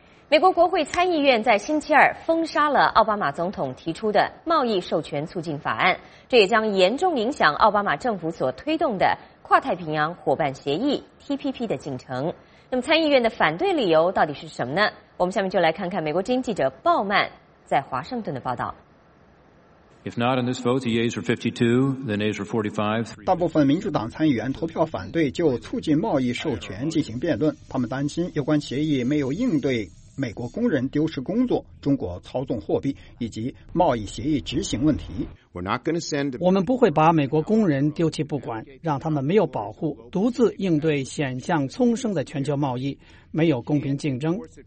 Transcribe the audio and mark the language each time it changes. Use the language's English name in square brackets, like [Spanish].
[Chinese] 美国国会参议院在星期二封杀了奥巴马总统提出的贸易授权促进法案，这也将严重影响奥巴马政府所推动的跨太平洋伙伴协议 TPP 的进程。那么参议院的反对理由到底是什么呢？我们下面就来看看美国之音记者鲍曼在华盛顿的报道。 [English] If not on this vote, the yeas are 52, the nays are 45. [Chinese] 大部分民主党参议员投票反对就促进贸易授权进行辩论，他们担心有关协议没有应对美国工人丢失工作、中国操纵货币以及贸易协议执行问题。我们不会把美国工人丢弃不管，让他们没有保护，独自应对险象丛生的全球贸易，没有公平竞争。